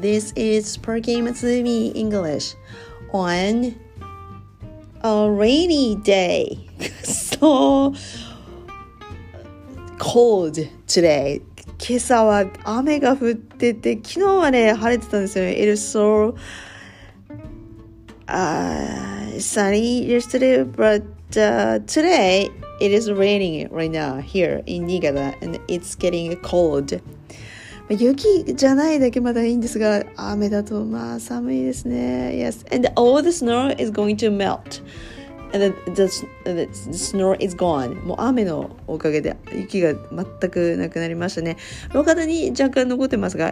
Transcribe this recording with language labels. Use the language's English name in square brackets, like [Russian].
[English] This is Perky Matsumi English on a rainy day. So cold today. [Japanese] 今朝は雨が降ってて、昨日はね、晴れてたんですよね。 [English] It is so sunny yesterday, but today it is raining right now here in Niigata and it's getting cold. [Japanese] 雪じゃないだけまだいいんですが、雨だとまあ寒いですね。 [English] Yes, and all the snow is going to melt. And the snow is gone. [Japanese] もう雨のおかげで雪が全くなくなりましたね。路肩に若干残ってますが、